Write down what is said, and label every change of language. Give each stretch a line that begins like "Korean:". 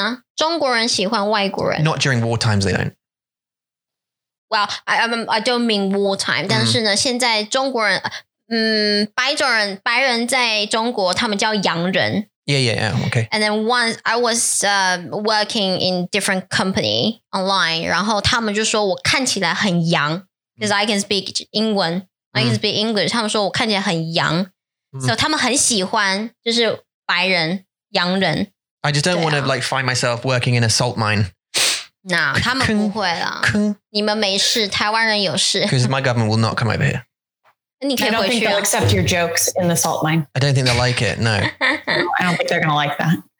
Chinese: 他们喜欢外国人啊，中国人喜欢外国人。
English: Not during war times, they don't. Well, I don't mean war time.
Chinese: 但是呢，现在中国人，白人在中国，他们叫洋人。
English: Yeah, yeah, yeah. Okay. And then once I was working in different company online,
Chinese: 然后他们就说我看起来很洋,
English: because I can speak English. I can speak English.
Chinese: 他们说我看起来很洋, so 他们很喜欢就是白人。洋人,
English: I just don't want to like find myself working in a salt mine.
Chinese: No, 他们不会啦。你们没事, 台湾人有事。
English: Because my government will not come over here.
Chinese: 你可以回去啊。
English: I don't think they'll accept your jokes in the salt mine. I don't think they'll like it, no. I don't think they're going to like that.